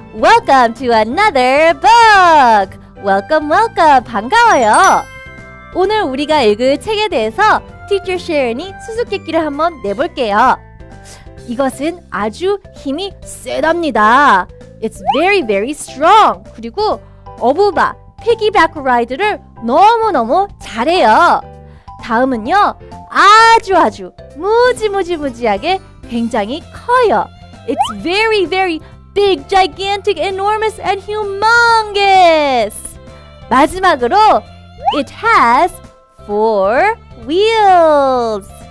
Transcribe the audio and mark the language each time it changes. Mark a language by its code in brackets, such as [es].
[en] Welcome to another book! Welcome, welcome! [ko] 반가워요! 오늘 우리가 읽을 책에 대해서 Teacher Sharon이 수수께끼를 한번 내볼게요. 이것은 아주 힘이 세답니다. [en] It's very, very strong. [ko] 그리고 어부바, piggyback ride를 너무너무 잘해요. 다음은요, 아주 아주 무지무지무지하게 굉장히 커요. [en] It's very, very big, gigantic, enormous, and humongous. [ko] 마지막으로, [en] it has four wheels.